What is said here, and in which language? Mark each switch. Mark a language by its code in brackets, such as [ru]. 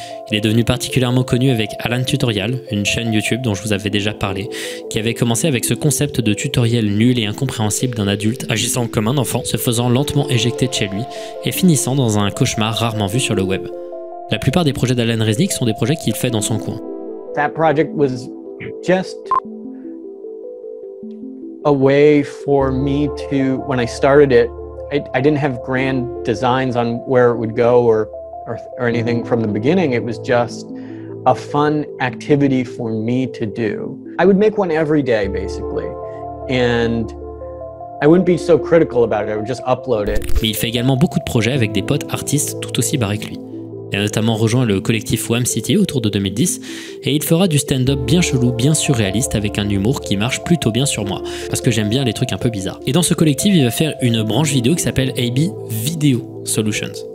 [fr] Il est devenu particulièrement connu avec Alan Tutorial, une chaîne YouTube dont je vous avais déjà parlé, qui avait commencé avec ce concept de tutoriel nul et incompréhensible d'un adulte agissant comme un enfant, se faisant lentement éjecter de chez lui et finissant dans un cauchemar rarement vu sur le web. La plupart des projets d'Alan Resnick sont des projets qu'il fait dans son coin. [en] That project was just a way for me to, when I started it, I didn't have grand designs on where it would go or anything from the beginning. It was just a fun activity for me to do. I would make one every day, basically, and I wouldn't be so critical about it. I would just upload it. [fr] Mais il fait également beaucoup de projets avec des potes artistes tout aussi barrés que lui. Il a notamment rejoint le collectif Wham City autour de 2010, et il fera du stand-up bien chelou, bien surréaliste, avec un humour qui marche plutôt bien sur moi, parce que j'aime bien les trucs un peu bizarres. Et dans ce collectif, il va faire une branche vidéo qui s'appelle AB Video Solutions.